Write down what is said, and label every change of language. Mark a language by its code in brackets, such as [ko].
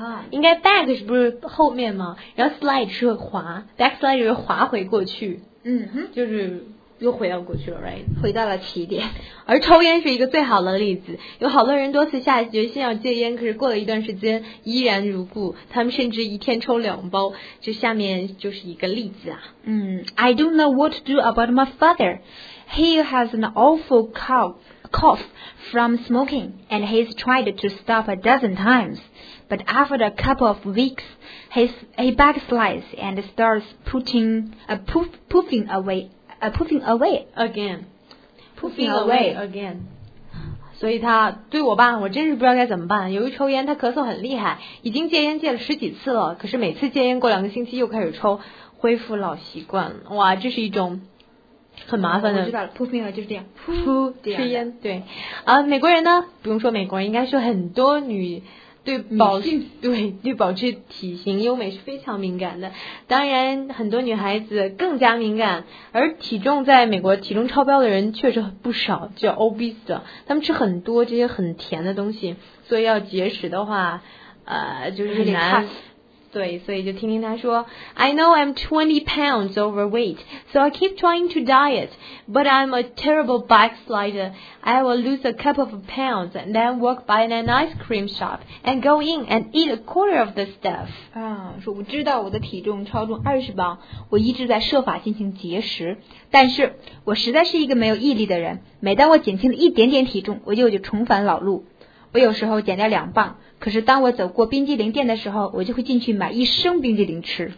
[zh] 应该 back 是不是后面吗？然后 slide 是滑， backslider 是滑回过去。就是又回到过去了， right？回到了起点。而抽烟是一个最好的例子，有好多人多次下决心要戒烟，可是过了一段时间依然如故，他们甚至一天抽两包。这下面就是一个例子啊。 [en] I don't know what to do about my father. He has an awful cough from smoking, and he's tried to stop a dozen times. But after a couple of weeks, he backslides and starts poofing away again. [zh] 所以他对我爸我真是不知道该怎么办。由于抽烟他咳嗽很厉害，已经戒烟戒了十几次了，可是每次戒烟过两个星期又开始抽，恢复老习惯。哇，这是一种很麻烦的。我知道了，噗噗就是这样，噗噗吃烟。对啊，美国人呢不用说，美国人应该说很多女对保持对保持体型优美是非常敏感的，当然很多女孩子更加敏感，而体重在美国体重超标的人确实不少，叫 obese 的，他们吃很多这些很甜的东西，所以要节食的话就是很难。对，所以就听听他说 [en] I know I'm 20 pounds overweight, so I keep trying to diet, but I'm a terrible backslider. I will lose a couple of pounds and then walk by an ice cream shop and go in and eat a quarter of the stuff. [zh] 说我知道我的体重超重20磅，我一直在设法进行节食，但是我实在是一个没有毅力的人，每当我减轻了一点点体重，我就重返老路。我有时候减掉两磅，可是当我走过冰激凌店的时候，我就会进去买一升冰激凌吃。